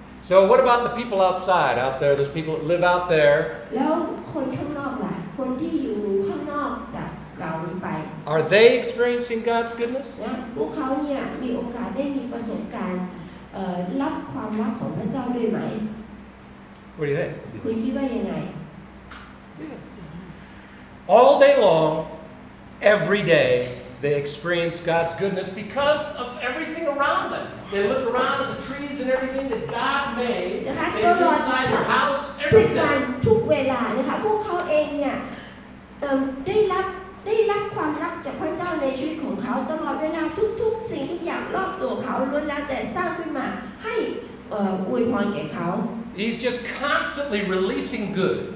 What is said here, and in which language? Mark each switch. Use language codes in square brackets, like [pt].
[en] So what about the people outside out there those people that live out there [th] แล้วคนข้างนอกล่ะคนที่อยู่ข้างนอกจากเรานี้ไป [en] Are they experiencing God's goodness [th] นะพวกเขาเนี่ยมีโอกาสได้มีประสบการณ์รับความรักของพระเจ้าด้วยไหม [en] What do you think? [th] คุณคิดว่ายังไง [en] All day long, every day, they experience God's goodness because of everything around them. They look around at the trees and everything that God made. [th] นะคะ [en] And inside their house, everything. [th] ทุกเวลานะคะพวกเขาเองเนี่ยได้รับ ได้รับความรักจากพระเจ้าในชีวิตของเขาตลอดเวลาทุกๆสิ่งทุกอย่างรอบตัวเขาล้วนแล้วแต่สร้างขึ้นมาให้อวยพรแก่เขา [en] He's just constantly releasing good